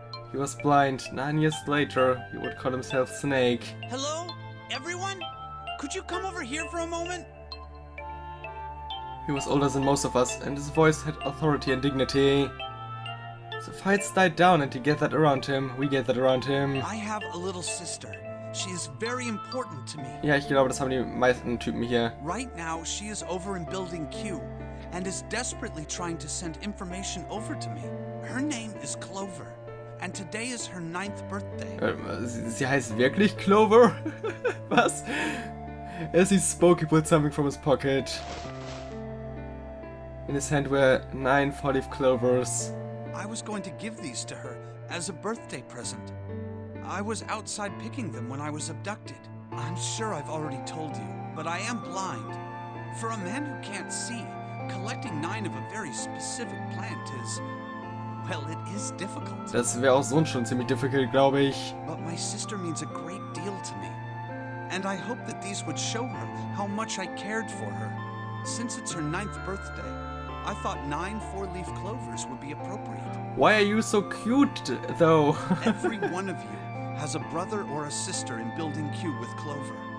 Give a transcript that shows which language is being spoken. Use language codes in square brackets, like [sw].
[en] He was blind. 9 years later, he would call himself Snake. Hello? Everyone? Could you come over here for a moment? He was older than most of us, and his voice had authority and dignity. The fights died down and we gathered around him. I have a little sister. She is very important to me. [de] Ja, ich glaube, das haben die meisten Typen hier. [en] Right now, she is over in Building Q and is desperately trying to send information over to me. Her name is Clover and today is her 9th birthday. [de] Sie heißt wirklich Clover? Was? [en] As he spoke, he pulled something from his pocket. In his hand were 9 four-leaf clovers. I was going to give these to her as a birthday present. I was outside picking them when I was abducted. I'm sure I've already told you, but I am blind. For a man who can't see, collecting 9 of a very specific plant is, well, it is difficult. [de] Das wäre auch sonst schon ziemlich difficult, glaube ich. [en] But my sister means a great deal to me, and I hope that these would show her how much I cared for her. Since it's her 9th birthday, I thought 9 four-leaf clovers would be appropriate. Why are you so cute, though? Every one of you has a brother or a sister in Building Q with Clover.